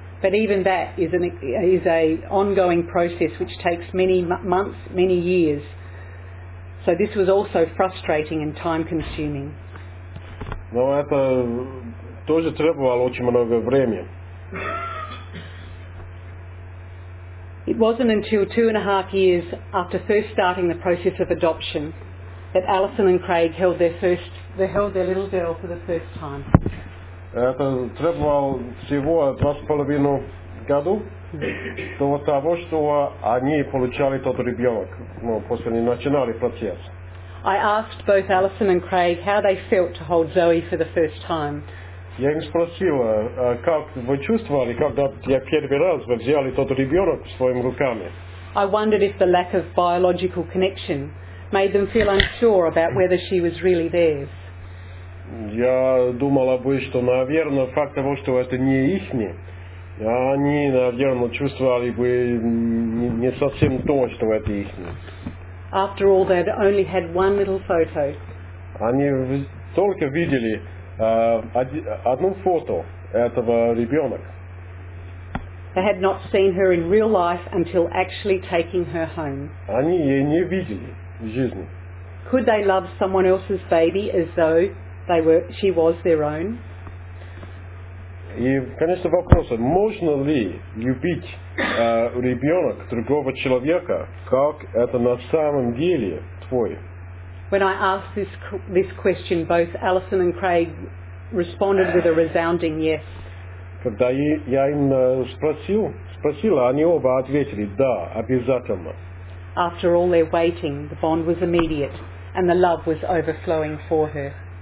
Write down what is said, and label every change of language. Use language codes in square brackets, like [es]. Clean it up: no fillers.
[en] But even that is an ongoing process which takes many months, many years. So this was also frustrating and time-consuming. [ru] Но это тоже требовало очень много времени. [en] It wasn't until 2.5 years after first starting the process of adoption that Alison and Craig held their little girl for the first time. [ru] Это требовало всего 2.5 года до того, что они получали тот ребенок, ну, после они начинали процесс. [en] I asked both Alison and Craig how they felt to hold Zoe for the first time. [ru] Я им спросил, как вы чувствовали, когда я первый раз вы взяли тот ребенок своими руками. [en] I wondered if the lack of biological connection made them feel unsure about whether she was really theirs. [ru] Я думал бы, что, наверное, факт того, что это не ихне, они, наверное, чувствовали бы не совсем то, что это ихне. [en] After all, they had only had one little photo. [ru] Они только видели одну фото этого ребенка. [en] They had not seen her in real life until actually taking her home. [ru] Они ее не видели в жизни. [en] Could they love someone else's baby as though they were, she was their own? [ru] И, конечно, вопрос, можно ли любить ребенок другого человека, как это на самом деле твой? [en] When I asked this question, both Alison and Craig responded with a resounding yes. [ru] Когда я им спросила, они оба ответили, да, обязательно. [en] After all their waiting, the bond was immediate, and the love was overflowing for her.